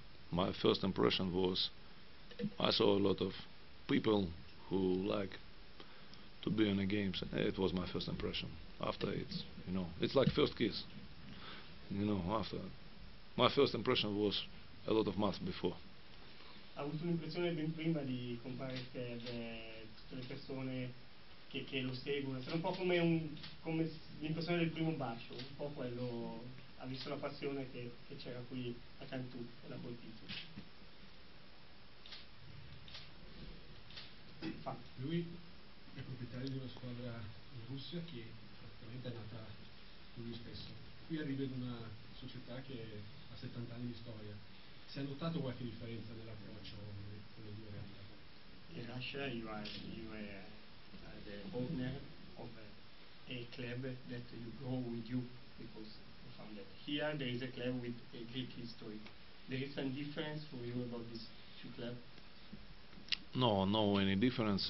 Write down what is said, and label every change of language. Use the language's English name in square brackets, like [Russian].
[English] My first impression was I saw a lot of people who like to be in the games. It was my first impression. After it, you know, it's like first kiss. You know, after my first impression was a lot of months before. [Italian] Ha avuto un'impressione ben prima di compare per tutte le persone che lo seguono. Sono un po' come l'impressione del primo bacio, un po' quello. Ha visto la passione che c'era qui a Cantù e l'ha colpito. Lui è proprietario di una squadra in Russia che praticamente è nata lui stesso. Qui arriva in una società che ha 70 anni di storia. Si è notato qualche differenza nell'approccio con le due realtà? [English] In Russia you are the owner of a club that you go with you because. That here there is a club with a Greek history. There is some difference for you about these two clubs? No, no any difference.